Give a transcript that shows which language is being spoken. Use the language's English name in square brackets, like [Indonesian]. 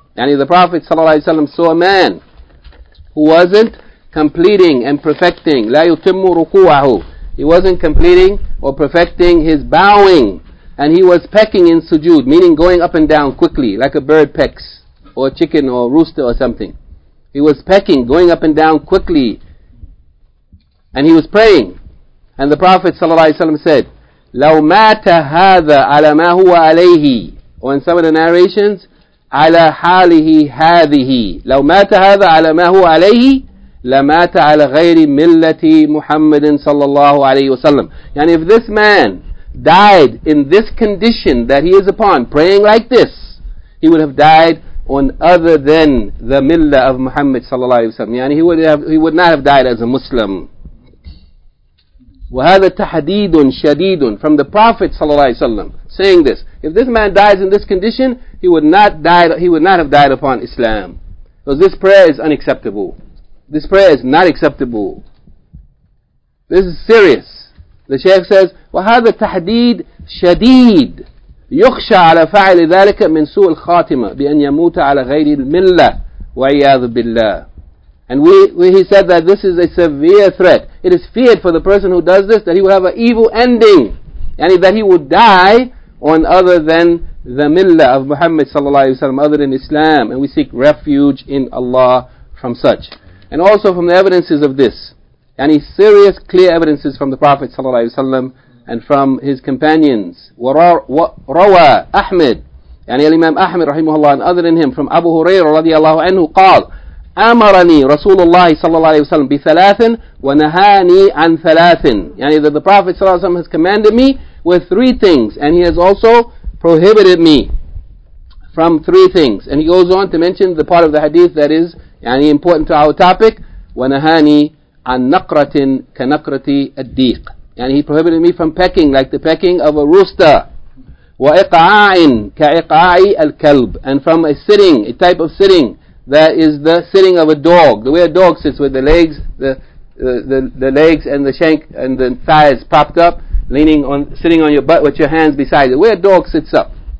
[English] Yani the Prophet sallallahu alayhi wa sallam saw a man who wasn't completing and perfecting, [Arabic] لا يتم ركوعه. [English] He wasn't completing or perfecting his bowing, and he was pecking in sujood, meaning going up and down quickly, like a bird pecks, or a chicken, or a rooster, or something. He was pecking, going up and down quickly, and he was praying. And the Prophet ﷺ said, [Arabic] لو مات هذا على ما هو عليه, [English] or in some of the narrations, [Arabic] على حاله هذه. لو مات هذا على ما هو عليه لَمَاتَ عَلَى غَيْرِ مِلَّةِ مُحَمَّدٍ صَلَّى اللَّهُ عَلَيْهِ وَسَلَّمَ يعني if this man died in this condition that he is upon, praying like this, he would have died on other than the millah of Muhammad صلى الله عليه وسلم. [English] يعني he would not have died as a Muslim. [Arabic] وَهَذَا تَحَدِيدٌ شَدِيدٌ [English] from the Prophet صلى الله عليه وسلم saying this. If this man dies in this condition, he would not have died upon Islam. Because this prayer is unacceptable. This prayer is not acceptable. This is serious. [Arabic] The Shaykh says, وَهَذَا تَحْدِيد شَدِيدٌ يُخْشَى عَلَى فَعْلِ ذَلِكَ مِنْ سُوءِ الْخَاتِمَةِ بِأَنْ يَمُوتَ عَلَى غَيْرِ الْمِلَّةِ وَعِيَاذُ بِاللَّهِ [English] And he said that this is a severe threat. It is feared for the person who does this that he will have an evil ending. And that he would die on other than the millah of Muhammad صلى الله عليه وسلم, other than Islam. And we seek refuge in Allah from such. And also from the evidences of this, any serious clear evidences from the Prophet ﷺ and from his companions. [Arabic] وَرَوَى أَحْمِدْ يعني الإمام أحمد رحمه الله [English] and other than him from أبو هريرة [Arabic] رضي الله عنه قال أمرني رسول الله صلى الله عليه وسلم بثلاث ونهاني عن ثلاث [English] يعني that the Prophet صلى الله عليه وسلم has commanded me with three things and he has also prohibited me from three things. And he goes on to mention the part of the hadith that is يعني important to our topic. [Arabic] ونهاني عن نقرة كنقرة الديق [English] يعني he prohibited me from pecking like the pecking of a rooster. [Arabic] وَإِقْعَاعٍ كَإِقْعَاعِ الْكَلْبِ [English] and from a sitting, a type of sitting that is the sitting of a dog, the way a dog sits with the legs, the legs and the shank and the thighs propped up, leaning on, sitting on your butt with your hands beside it, the way a dog sits up.